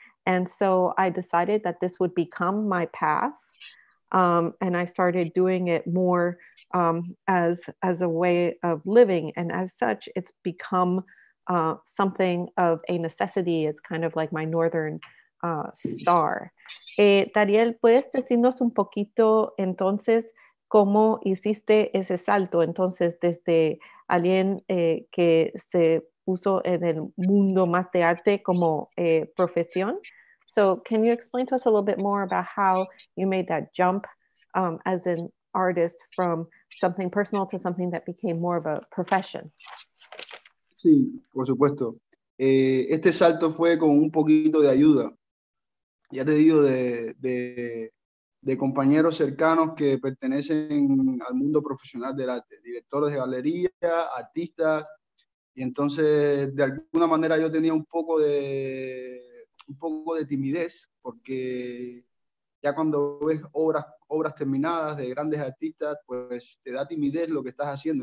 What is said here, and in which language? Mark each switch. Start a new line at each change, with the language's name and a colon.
English: And so I decided that this would become my path. And I started doing it more as a way of living. And as such, it's become something of a necessity. It's kind of like my northern star.
Spanish: Dariel, ¿puedes decirnos un poquito entonces cómo hiciste ese salto? Entonces, desde alguien que se puso en el mundo más de arte como profesión.
English: So can you explain to us a little bit more about how you made that jump as an artist from something personal to something that became more of a profession?
Spanish: Sí, por supuesto. Este salto fue con un poquito de ayuda. Ya te digo, de compañeros cercanos que pertenecen al mundo profesional del arte, directores de galería, artistas. Y entonces, de alguna manera, yo tenía un poco de timidez, porque ya cuando ves obras terminadas de grandes artistas, pues te da timidez lo que estás haciendo.